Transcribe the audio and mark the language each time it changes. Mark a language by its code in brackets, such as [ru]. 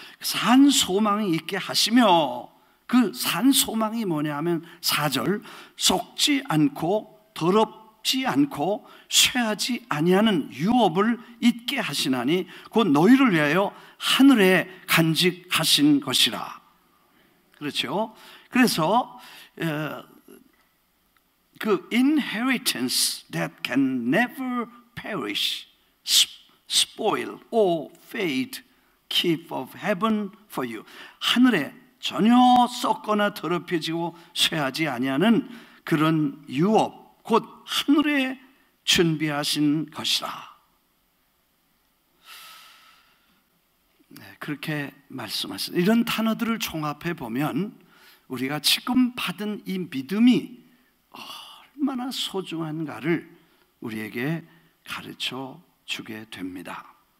[ko] 산 소망이 있게 하시며 그 산 소망이 뭐냐 하면 4절 속지 않고 더럽지 않고 쇠하지 아니하는 유업을 잊게 하시나니 곧 너희를 위하여 하늘에 간직하신 것이라. 그렇죠. 그래서 그 [en] inheritance that can never perish, spoil or fade, keep of heaven for you. [ko] 하늘에 전혀 썩거나 더럽혀지고 쇠하지 아니하는 그런 유업, 곧 하늘에 준비하신 것이라. 네, 그렇게 말씀하셨어요. 이런 단어들을 종합해 보면 우리가 지금 받은 이 믿음이 얼마나 소중한가를 우리에게 가르쳐 주게 됩니다.